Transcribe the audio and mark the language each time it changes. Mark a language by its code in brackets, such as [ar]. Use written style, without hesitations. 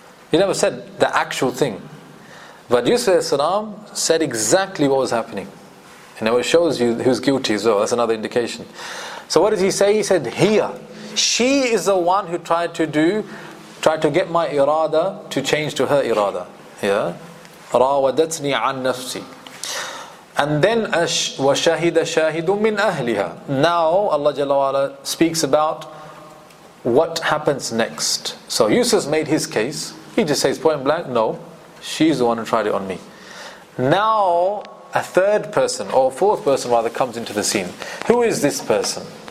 [en] He never said the actual thing. But Yusuf alayhi salam said exactly what was happening. And it shows you who's guilty as well. That's another indication. So what did he say? He said, here. She is the one who tried to get my irada to change to her irada. Yeah? [ar] رَاوَدَتْنِي عَنْ نَفْسِي. [en] And then, [ar] وَشَهِدَ شَاهِدٌ مِّنْ أَهْلِهَا. [en] Now, Allah Jalla wa'ala speaks about what happens next. So Yusuf made his case. He just says point blank, no, she's the one who tried it on me. Now, a third person, or fourth person rather, comes into the scene. Who is this person?